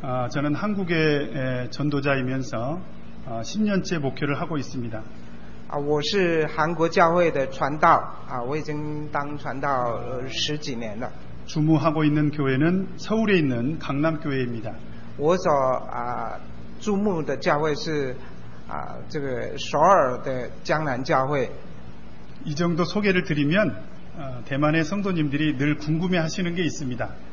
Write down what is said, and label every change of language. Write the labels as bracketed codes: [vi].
[ko] 저는 한국의 전도자이면서 10년째 목회를 하고 있습니다. [zh] 我是韩国教会的传道，我已经当传道十几年了。 [ko] 주무하고 있는 교회는 서울에 있는 강남교회입니다. [zh] 我所注目的教会是这个首尔的江南教会。 [ko] 이 정도 소개를 드리면 대만의 성도님들이 늘 궁금해하시는 게 있습니다.